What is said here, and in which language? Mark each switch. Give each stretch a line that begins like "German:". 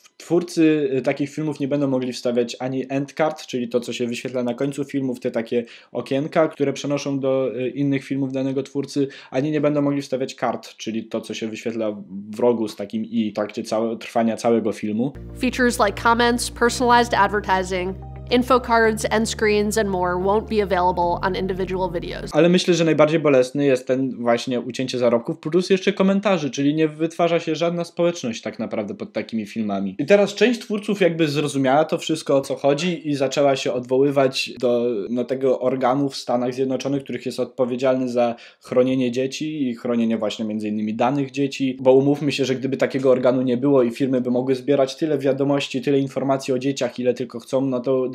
Polish: Twórcy takich filmów nie będą mogli wstawiać ani end card, czyli to, co się wyświetla na końcu filmów, te takie okienka, które przenoszą do innych filmów danego twórcy, ani nie będą mogli wstawiać card, czyli to, co się wyświetla w rogu z takim i, tak, gdzie trwa całego filmu.
English: Features like comments, personalized advertising, infocards, end screens and more won't be available on individual videos.
Polish: Ale myślę, że najbardziej bolesny jest ten właśnie ucięcie zarobków plus jeszcze komentarzy, czyli nie wytwarza się żadna społeczność tak naprawdę pod takimi filmami. I teraz część twórców jakby zrozumiała to wszystko, o co chodzi i zaczęła się odwoływać do no, tego organu w Stanach Zjednoczonych, których jest odpowiedzialny za chronienie dzieci i chronienie właśnie między innymi danych dzieci, bo umówmy się, że gdyby takiego organu nie było i firmy by mogły zbierać tyle wiadomości, tyle informacji o dzieciach, ile tylko chcą, no to